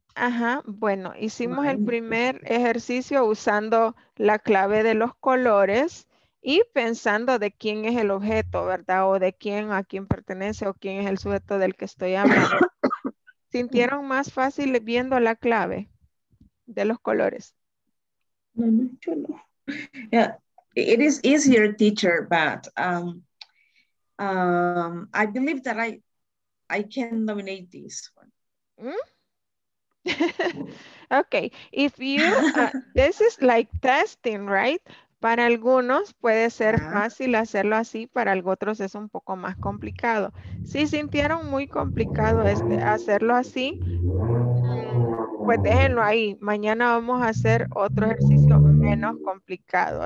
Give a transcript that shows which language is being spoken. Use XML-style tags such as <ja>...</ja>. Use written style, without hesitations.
<es>Ajá, bueno, hicimos el primer ejercicio usando la clave de los colores. Y pensando de quién es el objeto, ¿verdad? O de quién, a quién pertenece, o quién es el sujeto del que estoy hablando. ¿Sintieron más fácil viendo la clave de los colores? No, no, yo no.</es> <en>Yeah, it is easier, teacher, but I believe that I can dominate this one. Okay, if you, this is like testing, right?</en> <es>Para algunos puede ser fácil hacerlo así, para otros es un poco más complicado. Si sintieron muy complicado hacerlo así, pues déjenlo ahí. Mañana vamos a hacer otro ejercicio menos complicado.</es>